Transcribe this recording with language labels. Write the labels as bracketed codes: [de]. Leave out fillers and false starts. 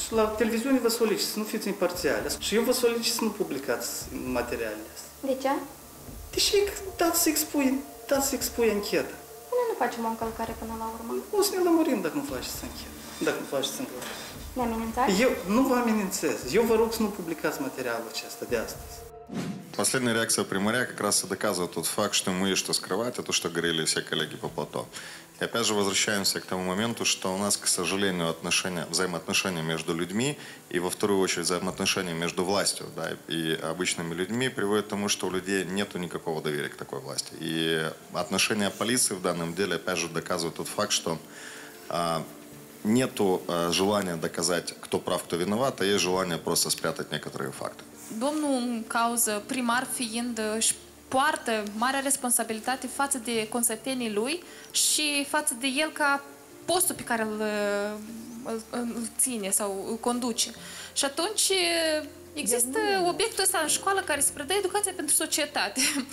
[ro] Și la televiziune vă solicit să nu fiți imparțiali și eu vă solicit să nu publicați materialele astea. De ce? Deși dați să expui anchetă. Noi nu facem o încălcare până la urmă. O să ne lămurim dacă nu faceți anchetă. Dacă nu faceți încălcare. Ne amenințați? Eu nu vă amenințez. Eu vă rog să nu publicați materialul acesta de astăzi. [ru] Последняя реакция примаря как раз и доказывает тот факт, что ему есть что скрывать, а то, что говорили все коллеги по плато. И опять же возвращаемся к тому моменту, что у нас, к сожалению, взаимоотношения между людьми и во вторую очередь взаимоотношения между властью, да, и обычными людьми приводят к тому, что у людей нет никакого доверия к такой власти. И отношения полиции в данном деле опять же доказывают тот факт, что нету желания доказать, кто прав, кто виноват, а есть желание просто спрятать некоторые факты. [ro] Domnul în cauză, primar fiind, își poartă marea responsabilitate față de consătenii lui și față de el ca postul pe care îl ține sau îl conduce. Și atunci există obiectul ăsta în școală care se predă educația pentru societate.